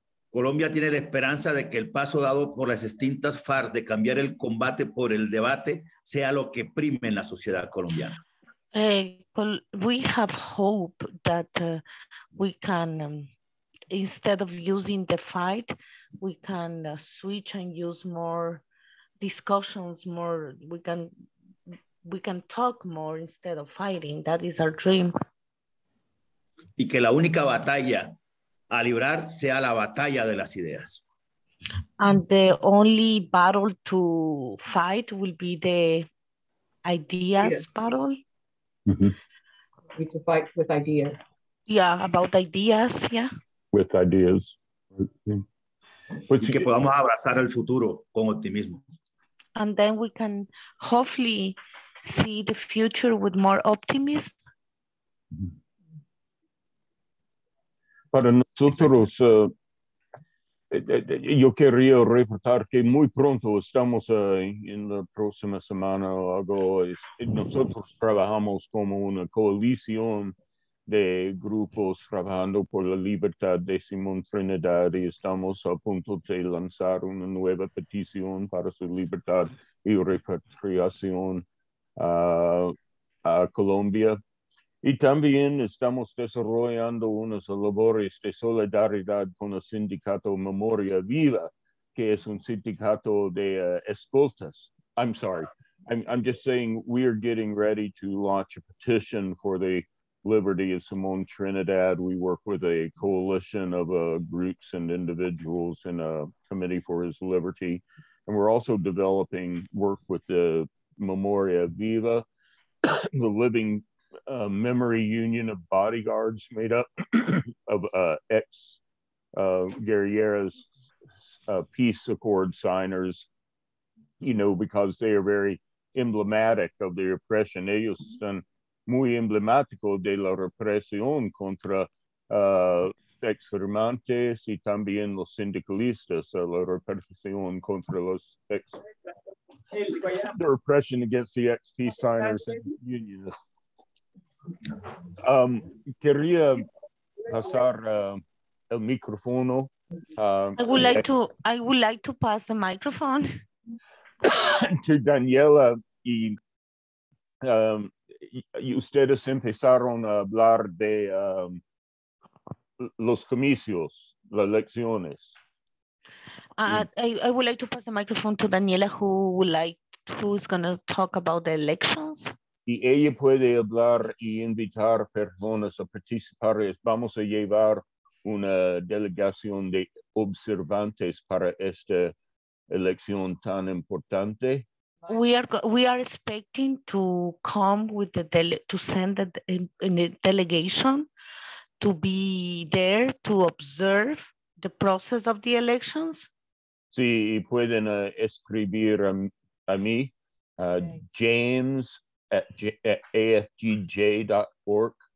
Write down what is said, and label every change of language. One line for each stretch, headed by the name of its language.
Spanish: Colombia tiene la esperanza de que el paso dado por las extintas FARC de cambiar el combate por el debate sea lo que prime en la sociedad colombiana.
English: We have hope that we can, instead of using the fight, we can switch and use more discussions, more we can talk more instead of fighting. That is our dream.
Spanish: Y que la única batalla a librar sea la batalla de las ideas.
English: And the only battle to fight will be the ideas battle. Mm-hmm. We need to fight with ideas. Yeah, about ideas, yeah. With ideas.
Spanish: Y que podamos abrazar el futuro con optimismo.
English: And then we can hopefully see the future with more optimism.
Spanish: Para nosotros, yo querría reportar que muy pronto estamos en la próxima semana o algo. Nosotros trabajamos como una coalición de grupos trabajando por la libertad de Simón Trinidad y estamos a punto de lanzar una nueva petición para su libertad y repatriación a Colombia. Y también estamos desarrollando unas labores de solidaridad con el sindicato Memoria Viva, que es un sindicato de escoltas.
English: I'm sorry, I'm just saying we are getting ready to launch a petition for the Liberty of Simón Trinidad. We work with a coalition of groups and individuals in a committee for his liberty. And we're also developing work with the Memoria Viva, the Living Memory Union of Bodyguards, made up of ex-guerrilleros, peace accord signers, you know, because they are very emblematic of the oppression.
Spanish: Ellos están muy emblemático de la represión contra ex-firmantes y también los sindicalistas, la represión contra los ex...
English: The repression against the XP signers and unionists.
Spanish: Quería pasar el micrófono.
English: I would like to pass the microphone to Daniela.
Spanish: Y ustedes empezaron a hablar de los comicios, las elecciones.
English: I would like to pass the microphone to Daniela, who's going to talk about the elections.
Spanish: Y ella puede hablar y invitar personas a participar. Vamos a llevar una delegación de observantes para esta elección tan importante.
English: We are expecting to come with to send a delegation to be there to observe the process of the elections.
Spanish: Sí, pueden escribir a mí, james@afgj.org.